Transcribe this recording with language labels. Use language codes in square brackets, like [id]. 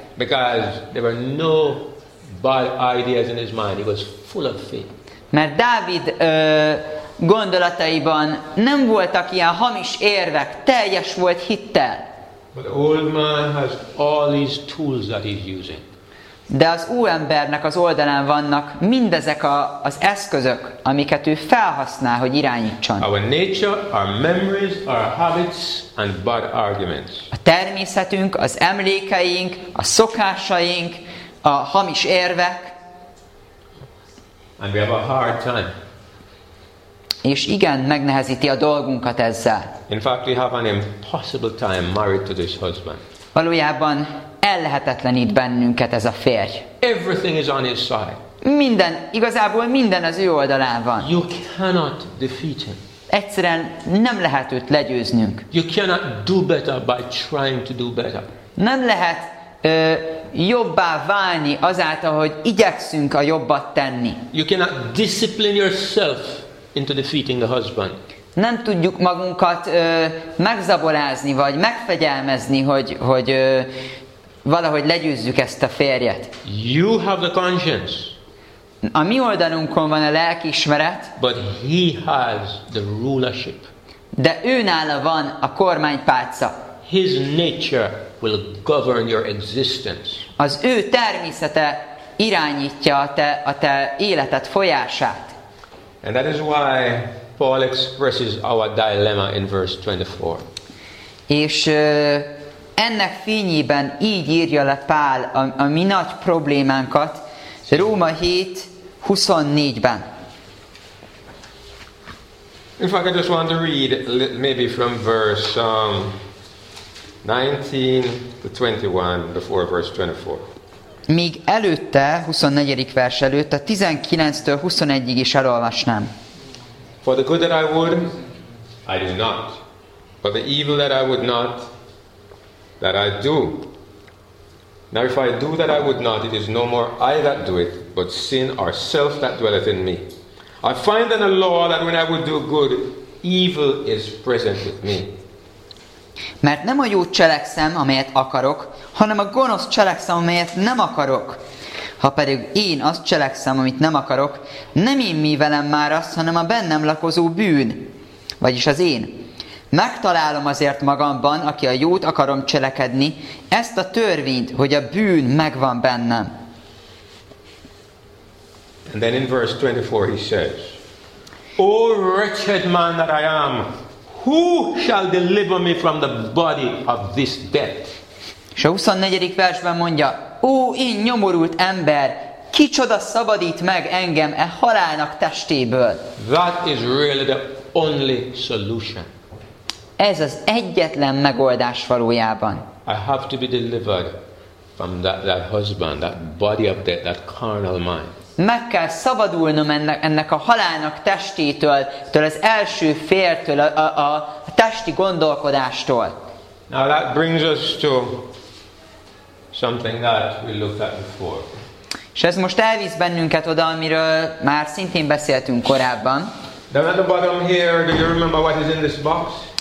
[en] Because there were no bad ideas in his mind. He was full of faith. [hu] Mert Dávid gondolataiban nem voltak ilyen hamis érvek, teljes volt hittel. [en] But the old man has all these tools that he's using. [hu] De az úembernek az oldalán vannak mindezek az eszközök, amiket ő felhasznál, hogy irányítson. [en] Our nature, our memories, our habits and bad arguments. [hu] A természetünk, az emlékeink, a szokásaink, a hamis érvek. [en] And we have a hard time. [hu] És igen, megnehezíti a dolgunkat ezzel. [en] In fact, we have an impossible time married to this husband. [hu] Valójában ellehetetlenít bennünket ez a férj. [en] Everything is on his side. [hu] Minden, igazából minden az ő oldalán van. [en] You cannot defeat him. [hu] Egyszerűen nem lehet őt legyőznünk. [en] You cannot do better by trying to do better. [hu] Nem lehet jobbá válni azáltal, hogy igyekszünk a jobbat tenni. [en] You cannot discipline yourself into defeating the husband. [hu] Nem tudjuk magunkat megzaborázni, vagy megfegyelmezni, hogy valahogy legyőzzük ezt a férjet. [en] You have the conscience. [hu] A mi oldalunkon van a lelkiismeret. [en] But he has the rulership. [hu] De ő nála van a kormánypálca. [en] His nature will govern your existence. [hu] Az ő természete irányítja a te életed folyását. [en] And that is why Paul expresses our dilemma in verse 24. [hu] És ennek fényében így írja le Pál a mi nagy problémánkat Róma 7:24-ben. [en] In fact, I just want to read maybe from verse 19-21 before verse 24. [hu] Míg előtte, 24. vers előtt, a 19-től 21-ig is elolvasnám. [en] For the good that I would, I do not. For the evil that I would not, that I do. Now if I do that I would not, it is no more I that do it, but sin or self that dwelleth in me. I find in the law that when I would do good, evil is present with me. [hu] Mert nem a jót cselekszem, amelyet akarok, hanem a gonosz cselekszem, amelyet nem akarok. Ha pedig én azt cselekszem, amit nem akarok, nem én mi velem már az, hanem a bennem lakozó bűn, vagyis az én. Megtalálom azért magamban, aki a jót akarom cselekedni, ezt a törvényt, hogy a bűn megvan bennem. [en] And then in verse 24 he says, O wretched man that I am, who shall deliver me from the body of this death? [hu] És a 24. versben mondja, Ó, én nyomorult ember, kicsoda szabadít meg engem e halálnak testéből? [en] That is really the only solution. [hu] Ez az egyetlen megoldás valójában. [en] I have to be delivered from that husband, that body of death, that carnal mind. [hu] Meg kell szabadulnom ennek a halálnak testétől, től az első fértől, a testi gondolkodástól. [en] Now that brings us to something that we looked at before. [hu] És ez most elvisz bennünket oda, amiről már szintén beszéltünk korábban. [en] Down at the bottom here, do you remember what is in this box?